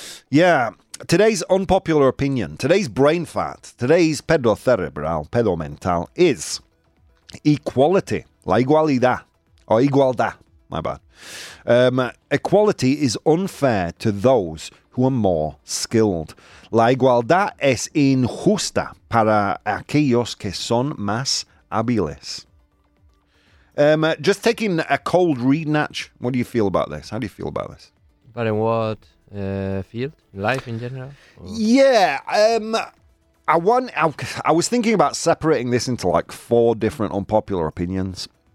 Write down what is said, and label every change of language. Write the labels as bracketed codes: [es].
[en] Yeah, today's unpopular opinion, today's brain fat, today's [es] pedo cerebral, pedo mental, [en] is equality, [es] la igualdad, [en] or igualdad, my bad. Equality is unfair to those who are more skilled. [es] La igualdad es injusta para aquellos que son más hábiles. [en] Just taking a cold read, Natch, what do you feel about this? How do you feel about this? But in what field? Life in general? Or? Yeah, I was thinking about separating this into like four different unpopular opinions.